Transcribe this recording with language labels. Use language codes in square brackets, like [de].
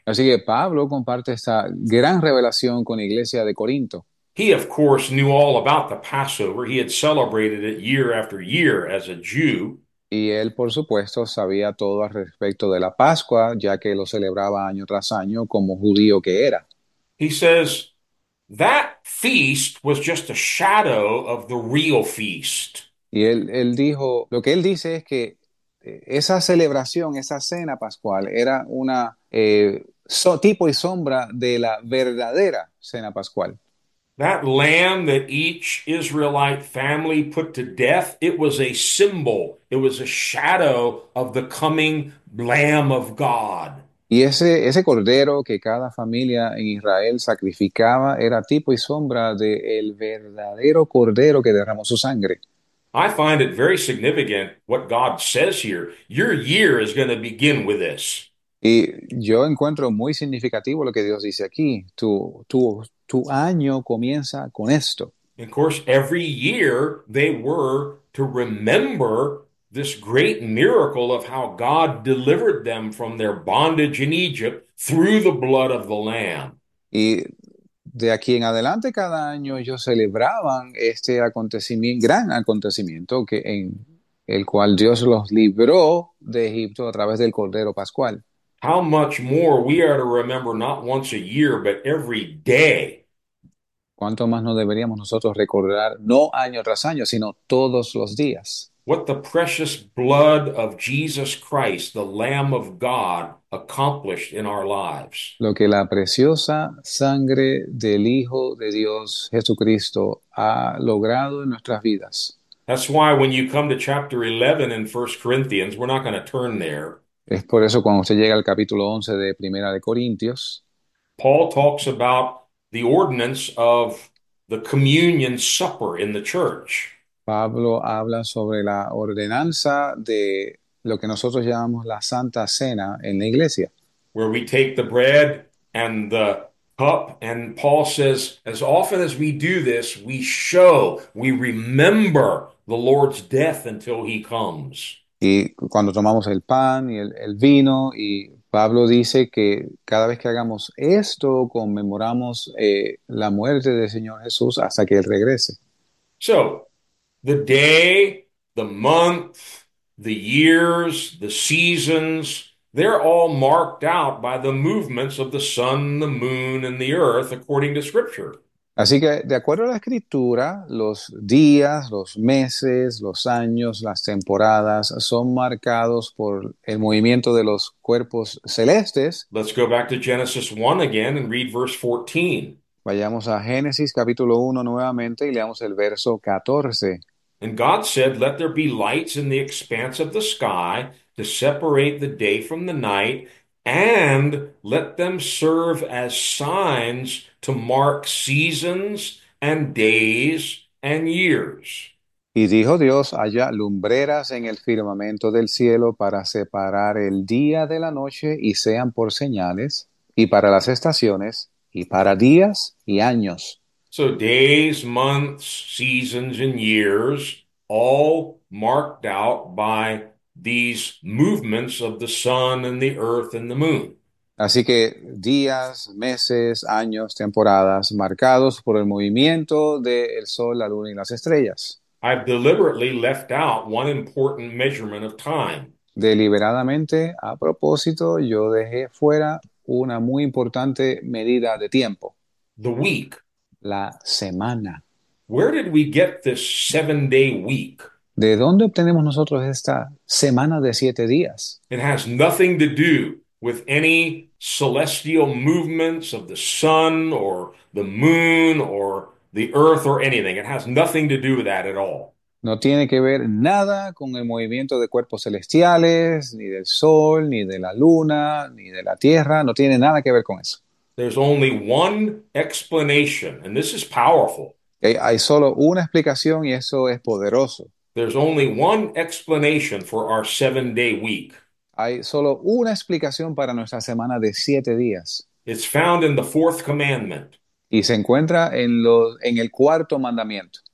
[es] Así que Pablo comparte esta gran revelación con la iglesia de Corinto. [en] He, of course, knew all about the Passover. He had celebrated it year after year as a Jew. [es] Y él, por supuesto, sabía todo al respecto de la Pascua, ya que lo celebraba año tras año como judío que era. [en] He says that feast was just a shadow of the real feast. [es] Y él dijo, lo que él dice es que esa celebración, esa cena pascual, era una tipo y sombra de la verdadera cena pascual. [en] That lamb that each Israelite family put to death, it was a symbol, it was a shadow of the coming Lamb of God. [es] Y ese cordero que cada familia en Israel sacrificaba era tipo y sombra del verdadero cordero que derramó su sangre. [en] I find it very significant what God says here. Your year is going to begin with this. [es] Y yo encuentro muy significativo lo que Dios dice aquí. Tu año comienza con esto. [en] Of course, every year they were to remember this great miracle of how God delivered them from their bondage in Egypt through the blood of the Lamb. [es] Y de aquí en adelante, cada año ellos celebraban este acontecimiento, gran acontecimiento, que en el cual Dios los libró de Egipto a través del Cordero Pascual. [en] How much more we are to remember not once a year, but every day. [es] ¿Cuánto más no deberíamos nosotros recordar, no año tras año, sino todos los días? [en] What the precious blood of Jesus Christ, the Lamb of God, accomplished in our lives. [es] Lo que la preciosa sangre del Hijo de Dios Jesucristo ha logrado en nuestras vidas. [en] That's why when you come to chapter 11 in 1 Corinthians, we're not going to turn there. [es] Es por eso cuando usted llega al capítulo 11 de Primera de Corintios. [en] Paul talks about the ordinance of the communion supper in the church. [es] Pablo habla sobre la ordenanza de lo que nosotros llamamos la Santa Cena en la iglesia. [en] Where we take the bread and the cup, and Paul says, as often as we do this, we show, we remember the Lord's death until he comes. [es] Y cuando tomamos el pan y el vino, y Pablo dice que cada vez que hagamos esto, conmemoramos la muerte del Señor Jesús hasta que Él regrese. [en] So, the day, the month, the years, the seasons, they're all marked out by the movements of the sun, the moon, and the earth, according to Scripture. [es] Así que, de acuerdo a la escritura, los días, los meses, los años, las temporadas son marcados por el movimiento de los cuerpos celestes. [en] Let's go back to Genesis 1 again and read verse 14. [es] Vayamos a Génesis capítulo 1 nuevamente y leamos el verso 14. [en] And God said, "Let there be lights in the expanse of the sky to separate the day from the night, and let them serve as signs to mark seasons and days and years." [es] Y dijo Dios, haya lumbreras en el firmamento del cielo para separar el día de la noche y sean por señales, y para las estaciones, y para días y años. [en] So days, months, seasons, and years, all marked out by these movements of the sun and the earth and the moon. [es] Así que días, meses, años, temporadas marcados por el movimiento del sol, la luna y las estrellas. [en] I've deliberately left out one important measurement of time. [es] Deliberadamente, a propósito, yo dejé fuera una muy importante medida de tiempo, [en] The week. [es] la semana. [en] Where did we get this 7-day week? [es] ¿De dónde obtenemos nosotros esta semana de 7 días? [en] It has nothing to do with any celestial movements of the sun or the moon or the earth or anything. It has nothing to do with that at all. [es] No tiene que ver nada con el movimiento de cuerpos celestiales, ni del sol, ni de la luna, ni de la tierra. No tiene nada que ver con eso. [en] There's only one explanation, and this is powerful. [es] Hay solo una explicación y eso es poderoso. [en] There's only one explanation for our 7-day week. [es] Hay solo una explicación para nuestra semana de 7 días. [en] It's found in the fourth commandment. [es] Y se encuentra en el cuarto mandamiento.